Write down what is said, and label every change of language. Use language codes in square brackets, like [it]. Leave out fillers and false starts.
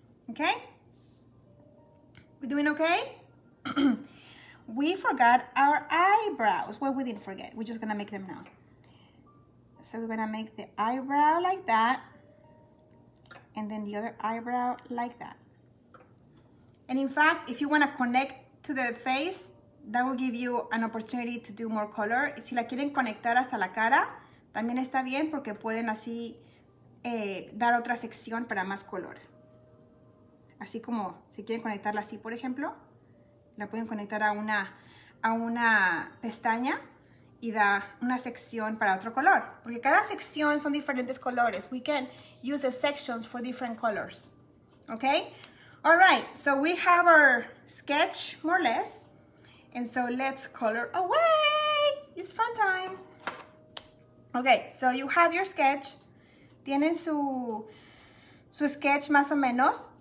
[en] Okay? We're doing okay? We forgot our eyebrows. Well, we didn't forget. We're just gonna make them now. So we're gonna make the eyebrow like that. And then the other eyebrow like that. And in fact, if you wanna connect to the face, that will give you an opportunity to do more color. [es] Si la quieren conectar hasta la cara, también está bien porque pueden así dar otra sección para más color. Así como si quieren conectarla así, por ejemplo, la pueden conectar a una pestaña y da una sección para otro color. Porque cada sección son diferentes colores. [en] We can use the sections for different colors. Okay? All right, so we have our sketch, more or less. And so let's color away. It's fun time. Okay, so you have your sketch. [es] Tienen su sketch más o menos.